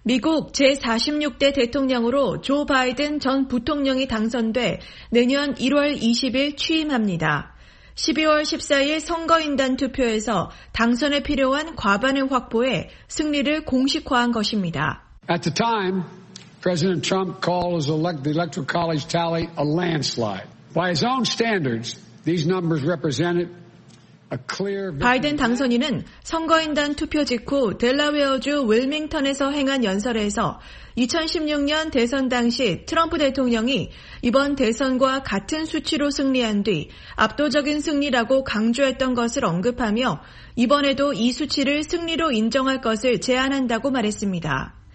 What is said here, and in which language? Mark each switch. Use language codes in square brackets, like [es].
[ko] 미국 제46대 대통령으로 조 바이든 전 부통령이 당선돼 내년 1월 20일 취임합니다. 12월 14일 선거인단 투표에서 당선에 필요한 과반을 확보해 승리를 공식화한 것입니다. [en] At the time, President Trump called the Electoral College tally a landslide. By his own standards, these numbers represented [ko] 바이든 당선인은 선거인단 투표 직후 델라웨어주 윌밍턴에서 행한 연설에서 2016년 대선 당시 트럼프 대통령이 이번 대선과 같은 수치로 승리한 뒤 압도적인 승리라고 강조했던 것을 언급하며 이번에도 이 수치를 승리로 인정할 것을 제안한다고 말했습니다.